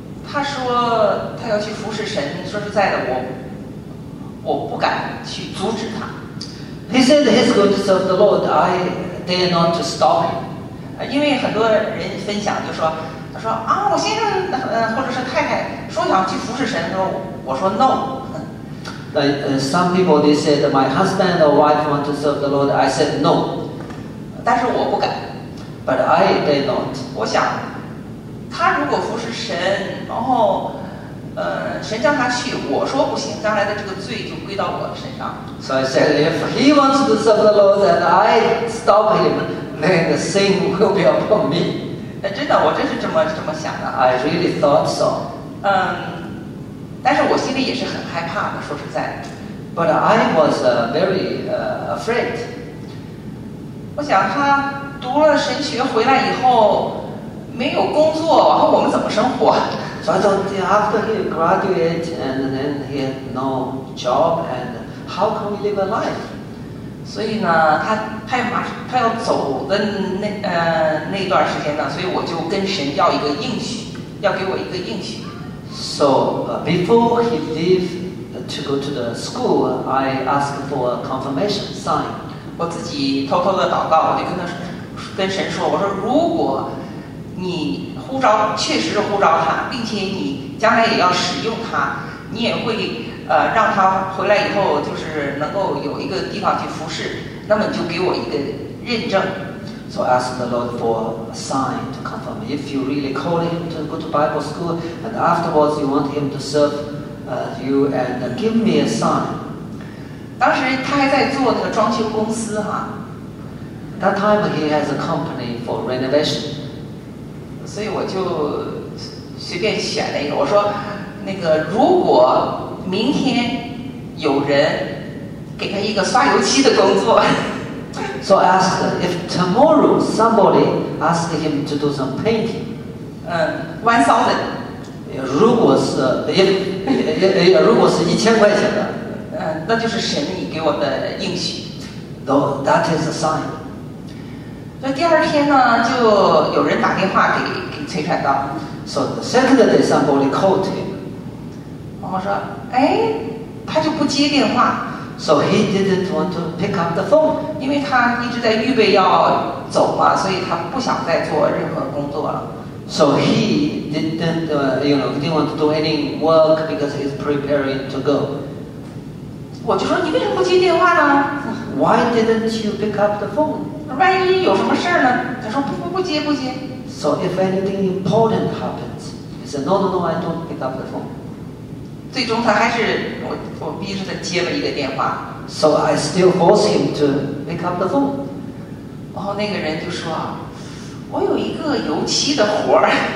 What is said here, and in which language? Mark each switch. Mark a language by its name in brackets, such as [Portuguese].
[Chinese] 他说他要去服侍神。说实在的，我不敢去阻止他。 [English] He said he's going to serve the Lord. I dare not to stop him. [Chinese] 因为很多人分享就说，他说啊，我先生或者是太太说想去服侍神，说我说 [English] no。 Some people they said my husband or wife want to serve the Lord, I said no。 [Chinese] 但是我不敢。 [English] But I did not。 [Chinese] 我想，他如果服侍神，然后神叫他去，我说不行，将来的这个罪就归到我身上。 [English] So I said if he wants to serve the Lord and I stop him. [Chinese] 那个心会不要碰壁。真的，我真是这么想的。 [English] I really thought so。 [Chinese] 但是我心里也是很害怕的，说实在。 [English] But I was very afraid。 [Chinese] 我想他读了神学回来以后没有工作，然后我们怎么生活 [English] ？So I thought after he graduated and then he had no job and how can we live a life？ [Chinese] 所以呢，他要走的那段时间呢，所以我就跟神要一个应许，要给我一个应许。 [English] So before he leave to go to the school, I asked for a confirmation sign. [Chinese] 我自己偷偷的祷告，我就跟神说，我说如果你呼召确实是呼召他，并且你将来也要使用他，你也会。让他回来以后就是能够有一个地方去服侍，那么就给我一个认证。 [English] So I asked the Lord for a sign to confirm if you really call him to go to Bible school and afterwards you want him to serve you and give me a sign. [Chinese] 当时他还在做那个装修公司哈。 [English] That time he has a company for renovation. [Chinese] 所以我就随便选了一个，我说那个如果明天有人给他一个刷油漆的工作。 [English] So I asked if tomorrow somebody asked him to do some painting. 1,000. [Chinese] 如果是如果是1,000的，那就是神你给我的应许。 [English] Though that is a sign. [Chinese] 所以第二天呢，就有人打电话给崔传道。 [English] So the second day somebody called him. [Chinese] 我说，哎，他就不接电话。 [English] So he didn't want to pick up the phone. [Chinese] 因为他一直在预备要走嘛，所以他不想再做任何工作了。 [English] So he didn't, didn't want to do any work because he's preparing to go. [Chinese] 我就说你为什么不接电话呢？ [English] Why didn't you pick up the phone? [Chinese] 万一有什么事呢？他说不接。 [English] So if anything important happens, he said, no, I don't pick up the phone. [Chinese] 最终他还是我逼着他接了一个电话。 [English] So I still force him to pick up the phone. [Chinese] 然后那个人就说，我有一个油漆的活儿。